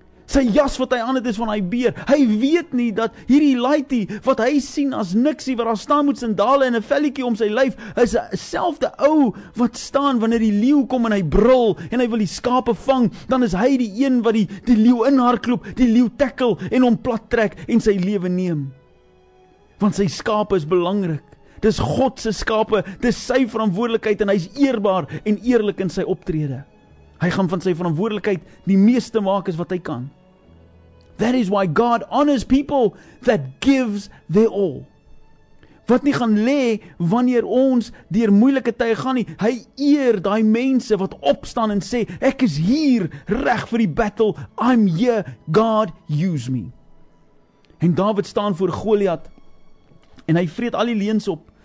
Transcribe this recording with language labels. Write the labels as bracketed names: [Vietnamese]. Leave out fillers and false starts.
[Afrikaans] Sy jas wat hy aan het is van daai beer, hy weet nie dat hierdie laaitie wat hy sien as niksie wat daar staan met sandale en 'n velletjie om sy lyf, is selfde ou wat staan wanneer die leeu kom en hy brul en hy wil die skape vang, dan is hy die een wat die leeu inhardloop, die leeu tackle en hom plat trek en sy lewe neem. Want sy skape is belangrik. Dis God se skape, dis sy verantwoordelikheid en hy is eerbaar en eerlik in sy optrede. Hy gaan van sy verantwoordelikheid die meeste maak as wat hy kan. [English] That is why God honors people that gives their all. [Afrikaans] Wat nie gaan lê wanneer ons deur moeilike tye gaan nie. Hy eer daai mense wat opstaan en sê, ek is hier reg vir die battle. [English] I'm here, God, use me. [Afrikaans] En Dawid staan voor Goliat en hy vreet al die leuns op.